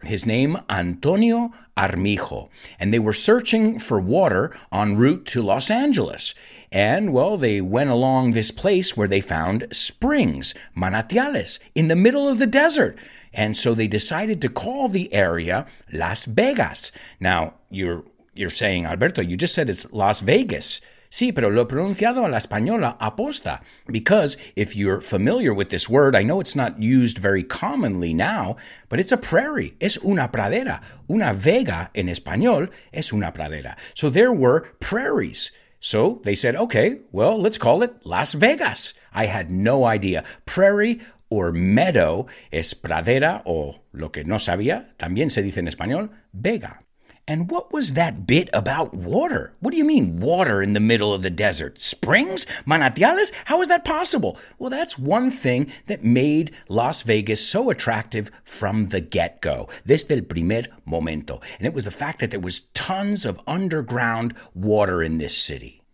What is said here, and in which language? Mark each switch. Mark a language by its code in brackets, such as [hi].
[en] His name, Antonio Armijo, and they were searching for water en route to Los Angeles. And, well, they went along this place where they found springs, manantiales, in the middle of the desert. And so they decided to call the area Las Vegas. Now, you're saying, Alberto, you just said it's Las Vegas. [es] Sí, pero lo he pronunciado a la española aposta. [en] Because if you're familiar with this word, I know it's not used very commonly now, but it's a prairie. [es] Es una pradera. Una vega en español es una pradera. [en] So there were prairies. So they said, okay, well, let's call it Las Vegas. I had no idea. Prairie or meadow [es] es pradera, o lo que no sabía, también se dice en español, vega. [en] And what was that bit about water? What do you mean water in the middle of the desert? Springs? Manantiales? How is that possible? Well, that's one thing that made Las Vegas so attractive from the get-go. [es] Desde el primer momento. [en] And it was the fact that there was tons of underground water in this city.